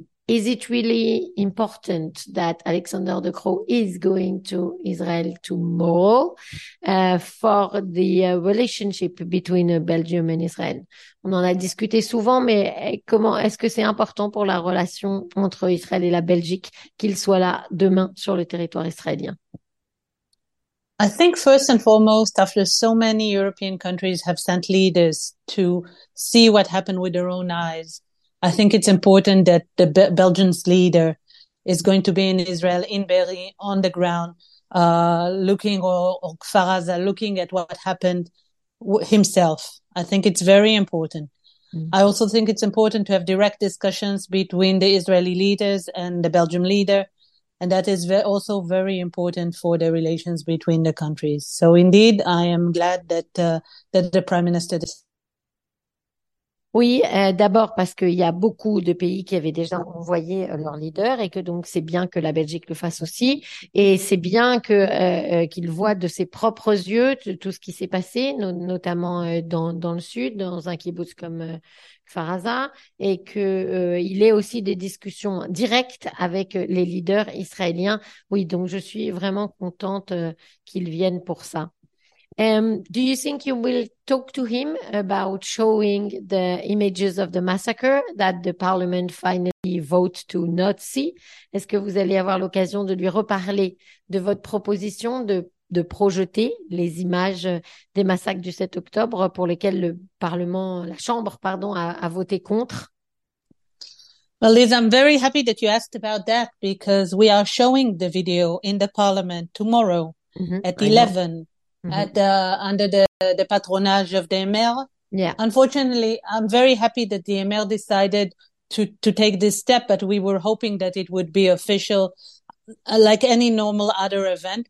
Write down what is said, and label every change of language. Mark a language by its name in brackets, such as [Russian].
[English] Is it really important that Alexander De Croo is going to Israel tomorrow for the relationship between Belgium and Israel? [French] On en a discuté souvent, mais comment est-ce que c'est important pour la relation entre Israël et la Belgique qu'il soit là demain sur le territoire israélien? [English] I think first and foremost, after so many European countries have sent leaders to see what happened with their own eyes, I think it's important that the Belgian's leader is going to be in Israel, in Berry, on the ground, looking, or Kfar Aza, looking at what happened himself. I think it's very important. Mm-hmm. I also think it's important to have direct discussions between the Israeli leaders and the Belgian leader. And that is also very important for the relations between the countries. So indeed, I am glad that that the Prime Minister. [French] Oui, d'abord parce qu'il y a beaucoup de pays qui avaient déjà envoyé leur leader et que donc c'est bien que la Belgique le fasse aussi et c'est bien que qu'il voit de ses propres yeux tout ce qui s'est passé, notamment dans le sud, dans un kibbutz comme Kfar Aza, et que il ait aussi des discussions directes avec les leaders israéliens. Oui, donc je suis vraiment contente qu'il vienne pour ça. [English] Do you think you will talk to him about showing the images of the massacre that the parliament finally vote to not see? [French] Est-ce que vous allez avoir l'occasion de lui reparler de votre proposition de projeter les images des massacres du 7 octobre pour lesquelles le parlement, la chambre, pardon, a voté contre? [English] Well, Liz, I'm very happy that you asked about that because we are showing the video in the parliament tomorrow at 11. Under the patronage of the Emir. Yeah. Unfortunately, I'm very happy that the Emir decided to take this step, but we were hoping that it would be official like any normal other event.